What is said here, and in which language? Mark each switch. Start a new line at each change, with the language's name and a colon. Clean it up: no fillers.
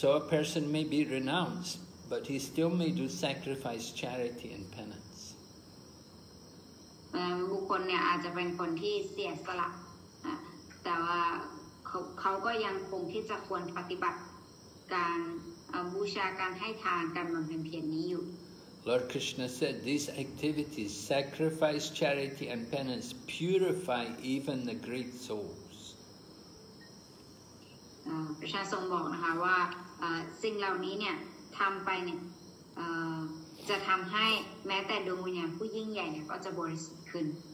English: So a person may be renounced but he still may do sacrifice charity and penance
Thai: บุคคลเนี่ยอาจจะเป็นคนที่เสียสละแต่ว่าเขาก็ยังคงที่จะควรปฏิบัติการบูชาการให้ทานการบำเพ็ญเพียรนี้อยู่
English: Lord Krishna said these activities sacrifice charity and penance purify even the great souls
Thai: พระชาทรงบอกนะคะว่าสิ่งเหล่านี้เนี่ยทำไปเนี่ยจะทำให้แม้แต่ดวงวิญญาณผู้ยิ่งใหญ่เนี่ยก็จะบริสุทธิ์ขึ้น